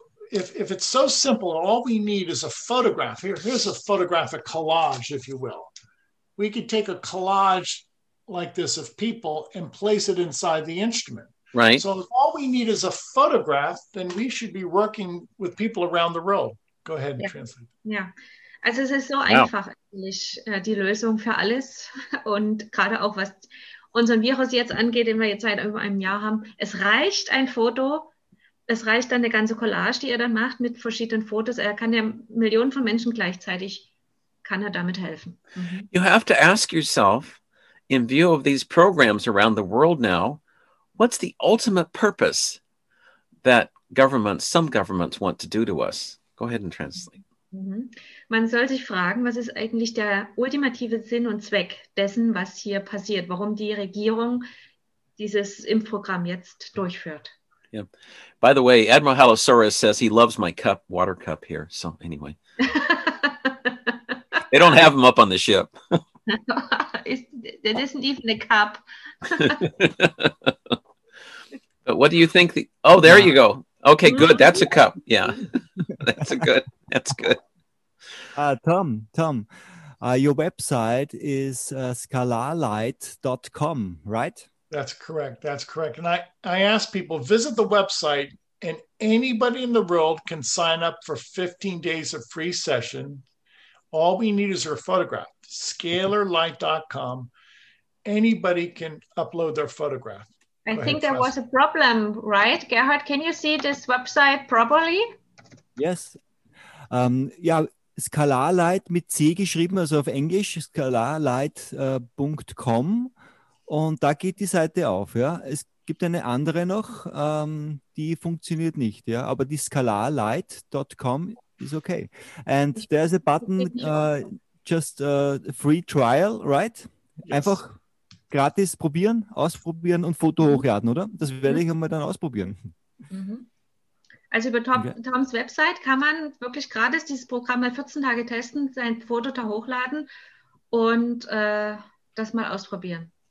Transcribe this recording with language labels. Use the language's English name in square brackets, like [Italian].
[English] If it's so simple, all we need is a photograph. Here's a photographic collage, if you will. We could take a collage like this of people and place it inside the instrument. Right. So if all we need is a photograph, then we should be working with people around the world. Go ahead and translate. Yeah. [German] Also es ist so einfach eigentlich die Lösung für alles. Und gerade auch was unseren Virus jetzt angeht, den wir jetzt seit über einem Jahr haben. Es reicht ein Foto. Es reicht dann eine ganze Collage, die er dann macht mit verschiedenen Fotos. Er kann ja Millionen von Menschen gleichzeitig, kann er damit helfen. Mhm. [English] You have to ask yourself, in view of these programs around the world now, what's the ultimate purpose that some governments want to do to us? Go ahead and translate. Mhm. [German] Man soll sich fragen, was ist eigentlich der ultimative Sinn und Zweck dessen, was hier passiert? Warum die Regierung dieses Impfprogramm jetzt durchführt? [English] Yeah. By the way, Admiral Halosaurus says he loves my water cup here. So anyway, they don't have them up on the ship. It isn't even a cup. But what do you think? There you go. Okay, good. That's a cup. Yeah, that's good. Tom, your website is scalarlight.com, right? That's correct. And I ask people, visit the website, and anybody in the world can sign up for 15 days of free session. All we need is your photograph, scalarlight.com. anybody can upload their photograph. I think there was a problem, right? Gerhard, can you see this website properly? Yes. [German] Skalarlight mit C geschrieben, also auf Englisch, skalarlight.com. Und da geht die Seite auf, ja. Es gibt eine andere noch, die funktioniert nicht, ja. Aber die skalarlight.com ist okay. [English] And there's a button, just a free trial, right? Yes. [German] Einfach gratis probieren, ausprobieren und Foto hochladen, oder? Das werde ich einmal dann ausprobieren. Also über Toms Website kann man wirklich gratis dieses Programm mal 14 Tage testen, sein Foto da hochladen und das mal ausprobieren.